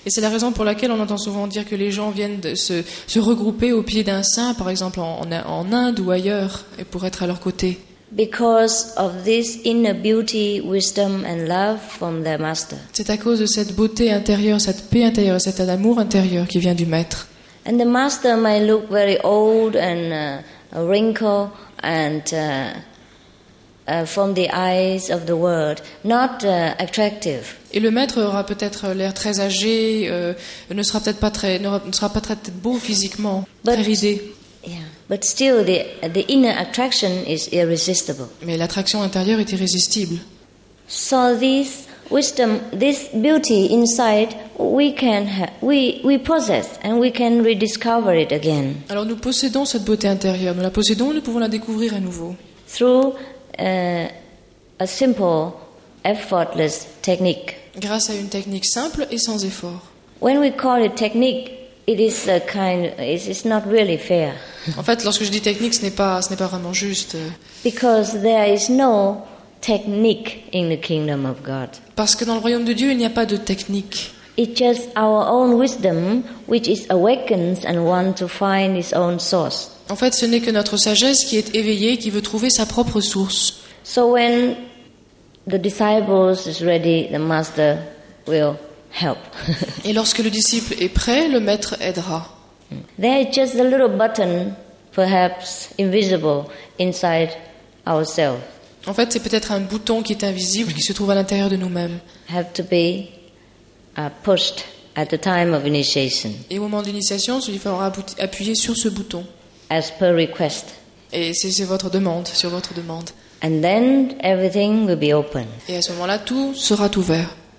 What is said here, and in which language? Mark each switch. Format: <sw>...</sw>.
<fr>Et c'est la raison pour laquelle on entend souvent dire que les gens viennent se regrouper au pied d'un saint, par exemple en Inde ou ailleurs, et pour être à leur côté.</fr> <en>Because of this inner beauty, wisdom and love from their master.</en> <fr>C'est à cause de cette beauté intérieure, cette paix intérieure, cet amour intérieur qui vient du maître.</fr> <en>And the master might look very old and wrinkled and from the eyes of the world, not attractive.</en> <fr>Et le maître aura peut-être l'air très âgé, ne sera peut-être pas très beau physiquement,</fr> <en>but,</en> <fr>très ridé.</fr> <en>Yeah. But still, the inner attraction is irresistible.</en> <fr>Mais l'attraction intérieure est irrésistible.</fr> <en>So this wisdom, this beauty inside, we possess and we can rediscover it again.</en> <fr>Alors nous possédons cette beauté intérieure, nous la possédons, nous pouvons la découvrir à nouveau.</fr> <en>Through a simple, effortless technique.</en> <fr>Grâce à une technique simple et sans effort.</fr> <en>When we call it technique, it is a kind. It's not really fair.</en> <fr>En fait, lorsque je dis technique, ce n'est pas vraiment juste.</fr> <en>Because there is no technique in the kingdom of God.</en> <fr>Parce que dans le royaume de Dieu, il n'y a pas de technique.</fr> <en>It's just our own wisdom which is awakens and wants to find its own source.</en> <fr>En fait, ce n'est que notre sagesse qui est éveillée, qui veut trouver sa propre source.</fr> <en>So when the disciples is ready, the master will help.</en> <fr>Et lorsque le disciple est prêt, le maître aidera.</fr> <en>There is just a little button, perhaps invisible, inside ourselves.</en> <fr>En fait, c'est peut-être un bouton qui est invisible, qui se trouve à l'intérieur de nous-mêmes.</fr> <en>Have to be pushed at the time of initiation.</en> <fr>Et au moment d'initiation, il faudra appuyer sur ce bouton.</fr> <en>As per request.</en> <fr>Et c'est votre demande, sur votre demande.</fr> <en>And then everything will be open.</en> <fr>Et à ce moment-là, tout sera ouvert.</fr>